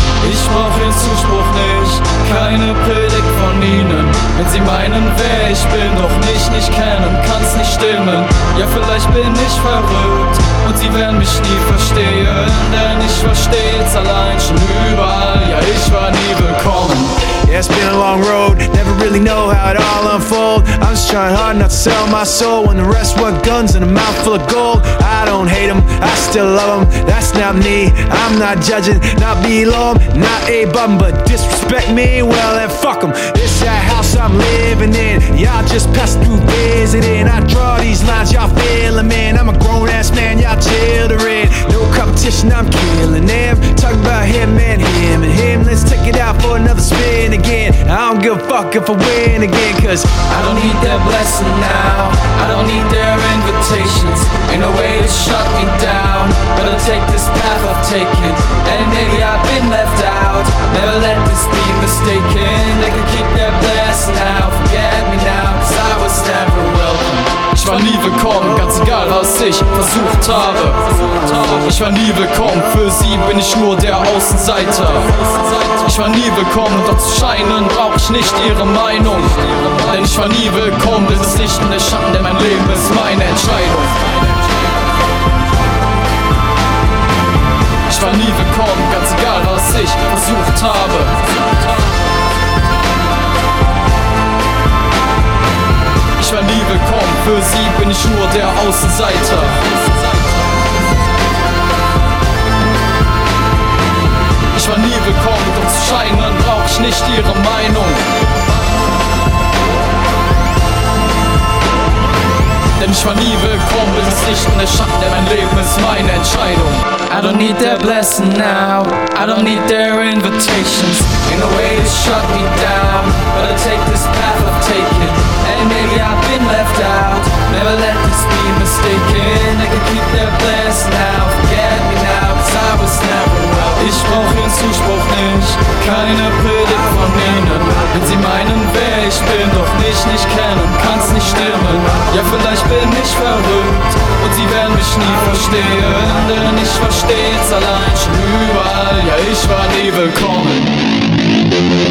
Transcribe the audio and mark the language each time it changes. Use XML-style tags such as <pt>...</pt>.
<de>Ich brauch den Zuspruch nicht, keine Predigt von ihnen. Wenn sie meinen, wer ich bin, doch mich nicht kennen, kann's nicht stimmen. Ja, vielleicht bin ich verrückt und sie werden mich nie verstehen. Denn ich war stets allein, schon überall, ja, ich war nie willkommen.</de> <en>Yeah, it's been a long road, never really know how it all unfold. I'm just trying hard not to sell my soul when the rest were guns and a mouthful of gold. I don't hate them, I still love them, that's not me. I'm not judging, not below them, not a bum, but disrespect me, well then fuck them. This that house I'm living in, y'all just pass through visiting. I draw these lines, y'all feel them in. I'm a grown ass man, y'all children. No competition, I'm killing them. Talk about him and him and him, let's take it out for another spin again. I don't give a fuck if I win again, cause I don't need their blessing now. I don't need their invitations. Ain't no way to shut me down. Gonna take this path I've taken, and maybe I've been left out. Never let this be mistaken. They can keep their blessing now. Forget me now, cause I was never welcome.</en> <de>Ich war nie willkommen, ganz egal was ich versucht habe. Ich war nie willkommen, für sie bin ich nur der Außenseiter. Ich war nie willkommen, doch zu scheinen brauch ich nicht ihre Meinung. Denn ich war nie willkommen, denn das Licht und der Schatten, denn mein Leben ist meine Entscheidung. Ich war nie willkommen, ganz egal was ich versucht habe. Ich war nie willkommen, für sie bin ich nur der Außenseiter. Ich war nie willkommen, doch zu scheinen brauch ich nicht ihre Meinung. Denn ich war nie willkommen, bin es nicht in der Schatten, denn mein Leben ist meine Entscheidung.</de> <en>I don't need their blessing now, I don't need their invitations. Ain't no way to shut me down, but I take this path I've taken. And maybe I've been left out, never let this be mistaken. I can keep their blessing now, forget me now, cause I was never well.</en> <de>Ich brauch ihren Zuspruch nicht, keine Predigt von ihnen. Wenn sie meinen, wer ich bin, doch dich nicht kennen, kann's nicht stimmen. Ja, vielleicht bin ich verrückt und sie werden mich nie verstehen. Denn ich war stets allein, schon überall, ja, ich war nie willkommen.</de>